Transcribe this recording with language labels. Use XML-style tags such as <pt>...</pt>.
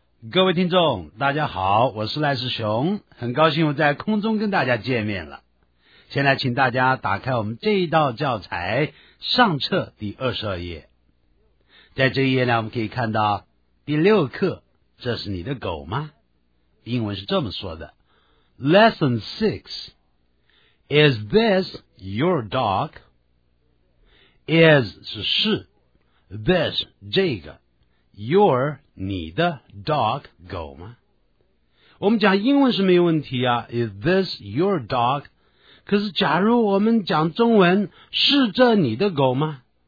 <zh>各位听众大家好，我是赖世雄，很高兴我在空中跟大家见面了。现在请大家打开我们这一道教材上册第22页。在这一页呢，我们可以看到第六课，这是你的狗吗？英文是这么说的，</zh> <en>Lesson 6 Is this your dog?</en> <zh>Is 是是， This 这个， Your 你的 dog 狗吗？我们讲英文是没问题啊，</zh> <en>Is this your dog?</en> <zh>可是假如我们讲中文，是这你的狗吗？</zh>